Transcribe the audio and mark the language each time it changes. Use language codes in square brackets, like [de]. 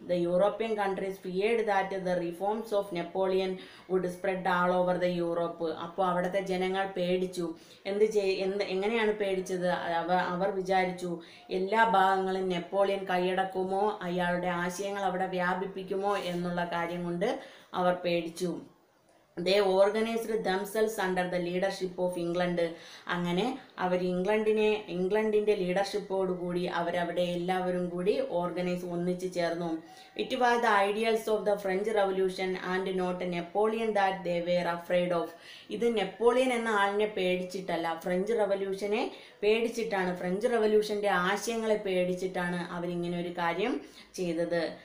[en] The European countries feared that the reforms of Napoleon would spread all over the Europe. [ml] അപ്പോൾ അവിടുത്തെ ജനങ്ങൾ പേടിച്ചു. എങ്ങനെയാണ് പേടിച്ചത്? അവർ വിചാരിച്ചു എല്ലാ ഭാഗങ്ങളും നെപ്പോളിയൻ കൈയടക്കുമോ, അയാളുടെ ആശയങ്ങൾ അവിടെ വ്യാപിപ്പിക്കുമോ എന്നുള്ള കാര്യം കൊണ്ട് അവർ പേടിച്ചു. [en] They organized themselves under the leadership of England. [ml] അങ്ങനെ അവർ ഇംഗ്ലണ്ടിൻ്റെ ലീഡർഷിപ്പോട് കൂടി അവരവിടെ എല്ലാവരും കൂടി ഓർഗനൈസ് ഒന്നിച്ചു ചേർന്നു. [en] It was the ideals of the French revolution and not Napoleon that they were afraid of. [ml] ഇത് നെപ്പോളിയൻ എന്ന ആളിനെ പേടിച്ചിട്ടല്ല, ഫ്രഞ്ച് റവല്യൂഷനെ പേടിച്ചിട്ടാണ്, ഫ്രഞ്ച് റവല്യൂഷൻ്റെ ആശയങ്ങളെ പേടിച്ചിട്ടാണ് അവരിങ്ങനെ ഒരു കാര്യം ചെയ്തത്.